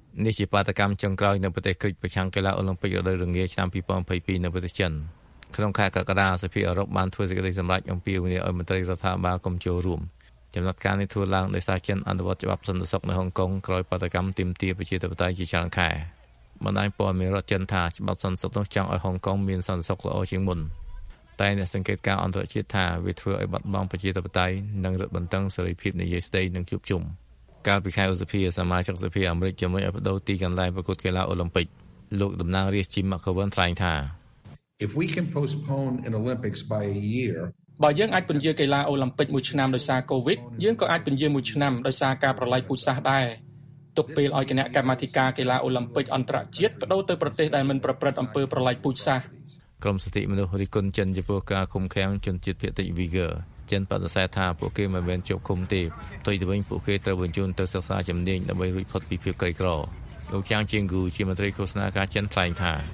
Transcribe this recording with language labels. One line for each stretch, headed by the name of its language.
Khmer: នេះជាបាតកម្មចុងក្រោយនៅប្រទេសក្រិចប្រឆាំងកីឡាអូឡាំពិករដូវរងាឆ្នាំ2022នៅប្រទេសចិនក្នុងខែកក្កដាសភាអឺរ៉ុបបានធ្វើសេចក្តីសម្រេចអំពាវនាវឲ្យមន្ត្រីរដ្ឋាភិបាលកុំចូលរួមចំណាត់ការនេះធ្វើឡើងដោយសារចិនអនុវត្តច្បាប់សន្តិសុខនៅហុងកុងក្រោយបាតកម្មទាមទារប្រជាធិបតេយ្យជាច្រើនខែបណ្ដាញព័ត៌មានរដ្ឋចិនថាច្បាប់សន្តិសុខនោះចង់ឲ្យហុងកុងមានសន្តិសុខល្អជាងមុន តែអ្នកសង្កេតការណ៍អន្តរជាតិថាវាធ្វើឲ្យបាត់បង់ប្រជាធិបតេយ្យនិងរឹតបន្តឹងសេរីភាពនយោបាយស្ដីនិងជួបជុំកាលពីខែឧសភាសមាជិកសភាអាមេរិកជំរុញឲ្យបដូរទីកន្លែងប្រកួតកីឡាអូឡាំពិកលោកតំណាងរាស្ត្រជីមម៉ាកូវិនថ្លែងថា
English: If we can postpone an Olympics by a year
Khmer: បើយើងអាចពន្យារកីឡាអូឡាំពិកមួយឆ្នាំដោយសារ COVID យើងក៏អាចពន្យារមួយឆ្នាំដោយសារការប្រឡាយពូជសាសន៍ដែរទុកពេលឲ្យគណៈកម្មាធិការកីឡាអូឡាំពិកអន្តរជាតិបដូរទៅប្រទេសដែលមិនប្រព្រឹត្តអំពើប្រឡាយពូជសាសន៍ក្រុមសិទ្ធិមនុស្សរិះគន់ចិនចំពោះការឃុំឃាំងជនជាតិភាគតិច Uyghur ចិនបដិសេធថាពួកគេមិនមែនជាប់ឃុំទេផ្ទុយទៅវិញពួកគេត្រូវបញ្ជូនទៅសិក្សាជំនាញដើម្បីរួចផុតពីភាពក្រីក្រលោកចាងជៀងគូជាមន្ត្រីឃោសនាការចិនថ្លែងថា